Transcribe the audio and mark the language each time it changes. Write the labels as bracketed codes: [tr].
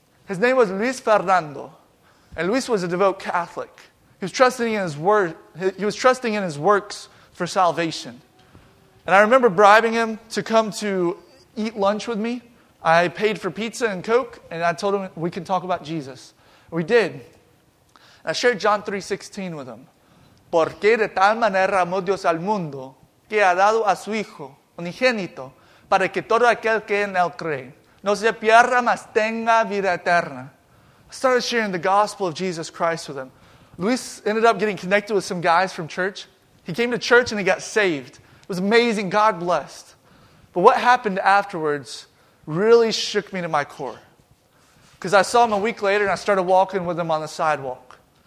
[en] His name was Luis Fernando. And Luis was a devout Catholic. He was trusting in his word. He was trusting in his works for salvation. And I remember bribing him to come to eat lunch with me. I paid for pizza and Coke, and I told him we can talk about Jesus. We did. I shared John 3:16 with him. [es] Porque de tal manera amó Dios al mundo que ha dado a su Hijo unigénito para que todo aquel que en él cree no se pierda mas tenga vida eterna. [en] I started sharing the gospel of Jesus Christ with him. Luis ended up getting connected with some guys from church. He came to church and he got saved. It was amazing. God blessed. But what happened afterwards really shook me to my core. Because I saw him a week later and I started walking with him on the sidewalk.